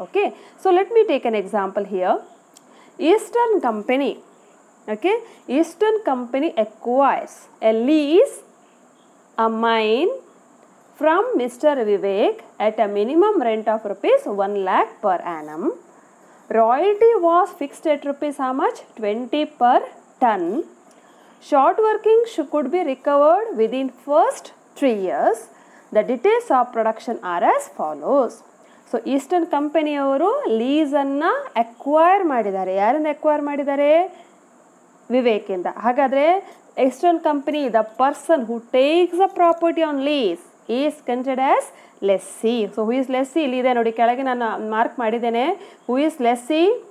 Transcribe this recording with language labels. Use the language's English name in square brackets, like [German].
[English] Okay, so let me take an example here. Eastern company, okay, eastern company acquires a lease a mine from mister Vivek at a minimum rent of ₹1 lakh per annum. Royalty was fixed at ₹20 per ton. Short working could be recovered within first 3 years. The details of production are as follows. [Kannada] So, Eastern Company ಅವರು lease ಅನ್ನು acquire ಮಾಡಿದ್ದಾರೆ. ಯಾರನ್ನು acquire ಮಾಡಿದ್ದಾರೆ? ವಿವೇಕ್ ಇಂದ. ಹಾಗಾದರೆ eastern company, [English] The person who takes a property on lease is considered as lessee. So who is lessee? [Kannada] ಇಲ್ಲಿ ಇದೆ ನೋಡಿ, ಕೆಳಗೆ ನಾನು ಮಾರ್ಕ್ ಮಾಡಿದ್ದೇನೆ. [English] Who is lessee?